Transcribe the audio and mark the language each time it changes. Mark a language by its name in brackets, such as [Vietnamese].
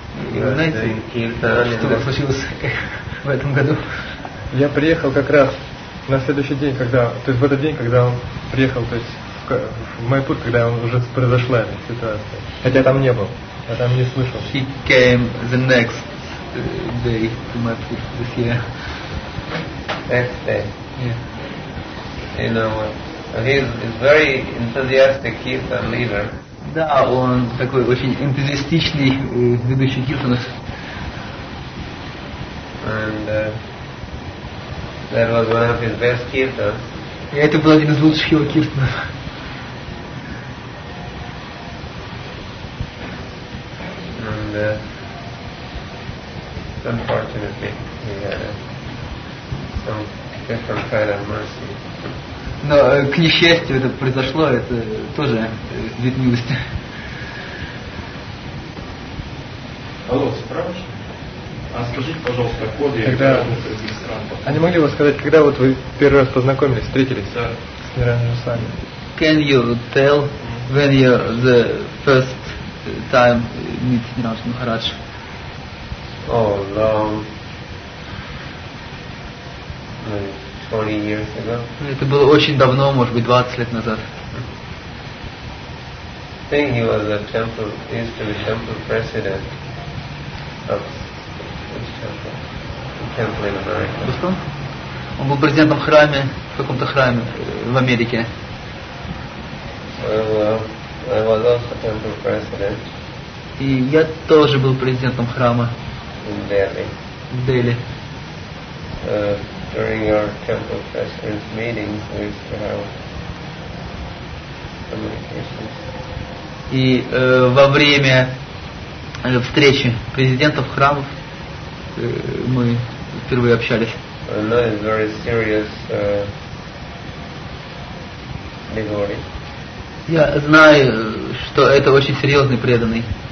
[Russian] Что случилось в этом году? Я приехал как раз на следующий день, когда, то есть в этот день, когда он приехал, то есть в Майпур, когда он уже произошла эта ситуация. Хотя там не был, я там не слышал. [English] He came the next day to Майпур this year. Next day. Yeah. You know, he is very enthusiastic Kirtan leader. [Russian] Да, он такой очень энтузиастичный ведущий киртанов. [English] And that was one of his best kirtans. [Russian] И это был один из лучших его киртанов. [English] And unfortunately, he had some different kind of mercy. [Russian] Но, к несчастью, это произошло, это тоже вид милости. Алло, справочник? А скажите, пожалуйста, код я когда... регистрантов. А не могли бы сказать, когда вот вы первый раз познакомились, встретились с Ниранджана Госвами? [English] Can you tell when you the first time meet Ниранджана Махараджа? Oh, no. 20 years ago. [Russian] Это было очень давно, может быть, 20 лет назад. [English] I think he was a temple, used to be temple president of this temple in America. [Russian] Он был президентом храма, в каком-то храме в Америке. [English] I was also temple president. [Russian] И я тоже был президентом храма. [English] In Delhi. [Russian] В Дели. [English] During our temple president's meetings, we used to have communications. [Russian] И во время встречи президентов храмов мы впервые общались. [English] And that is very serious devotee. [Russian] Я знаю, что это очень серьезный преданный.